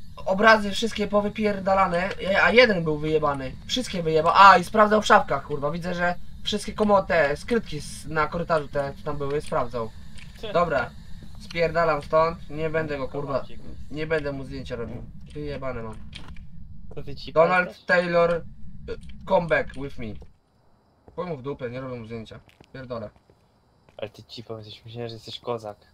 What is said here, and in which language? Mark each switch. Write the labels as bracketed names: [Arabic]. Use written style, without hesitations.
[Polish] Obrazy wszystkie powypierdalane, a jeden był wyjebany. Wszystkie wyjebał. A i sprawdzał w szafkach, kurwa. Widzę, że wszystkie komody, te skrytki na korytarzu, te co tam były, sprawdzał. Dobra, spierdalam stąd. Nie będę go, kurwa. Nie będę mu zdjęcia robił. Wyjebane mam. [English] Donald Taylor, come back with me. [Polish] Chuj mu w dupę, nie robię mu zdjęcia. Pierdolę. Ale ty ci powiedziałeś, myślałem, że jesteś kozak.